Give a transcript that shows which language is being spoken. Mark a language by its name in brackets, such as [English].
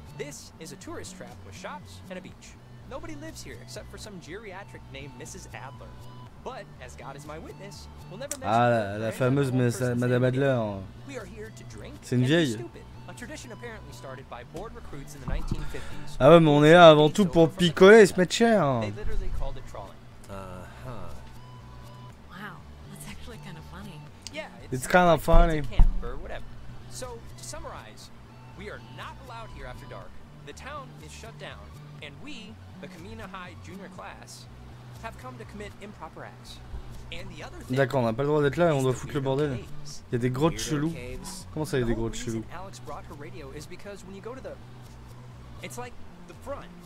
[English] This is a tourist trap with shops and a beach. Nobody lives here except for some geriatric named Mrs. Adler. But as God is my witness, we'll never mention. [French] Ah, la fameuse Madame Adler. [English] We are here to drink. [French] C'est une vieille. [English] A tradition apparently started by bored recruits in the 1950s. [French] Ah ouais, mais on est là avant tout pour picoler et se mettre cher. [English] They literally called it trolling. Wow, that's actually kind of funny. Yeah, it's kind of funny. It's a camp or whatever. So to summarize, we are not allowed here after dark. The town is shut down, and we, the Kamina High junior class, have come to commit improper acts. And the other thing. [French] D'accord, on n'a pas le droit d'être là et on doit foutre le bordel. Il y a des grottes chelous. Comment ça, il y a des grottes chelous? [English] Alex brought her radio is because when you go to the, it's like the front,